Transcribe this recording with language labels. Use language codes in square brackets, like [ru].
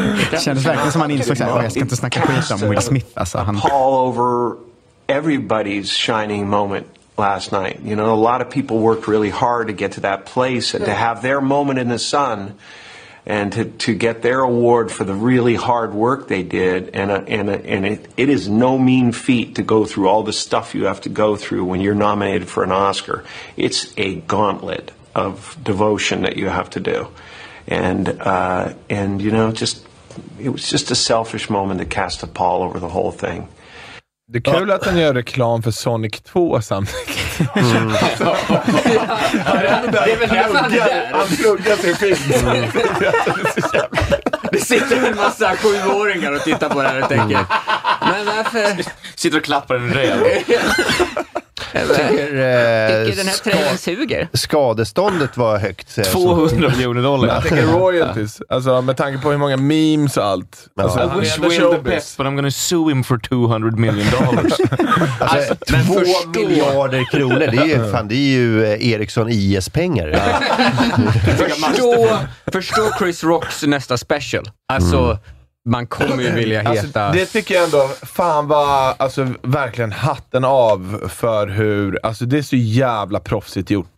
[sv] Det kändes verkligen som han insåg att jag ska inte snacka skit om Will Smith. Alltså, han... [en] Paul over everybody's shining moment. Last night, you know, a lot of people worked really hard to get to that place and to have their moment in the sun and to get their award for the really hard work they did. And it is no mean feat to go through all the stuff you have to go through when you're nominated for an Oscar. It's a gauntlet of devotion that you have to do. It was just a selfish moment to cast a pall over the whole thing. [sv] Det är kul att han gör reklam för Sonic 2 samtidigt. Mm. Det är väl det han pluggar till film. Det sitter en massa 7-åringar och tittar på det här och tänker. Men varför? Sitter och klappar en rejäl. Tycker den här trenden suger? Skadeståndet var högt. $200 miljoner. Jag tänker royalties. Alltså, med tanke på hur många memes och allt. Alltså, [en] I wish Will the best, but I'm gonna sue him for $200 million. [sv] Alltså, men 2 miljarder kronor, det är, fan, det är ju Ericsson IS-pengar. Ja. Förstå Chris Rocks nästa special. Alltså, man kommer ju vilja heta... Alltså, det tycker jag ändå, fan vad, alltså verkligen hatten av för hur, alltså det är så jävla proffsigt gjort.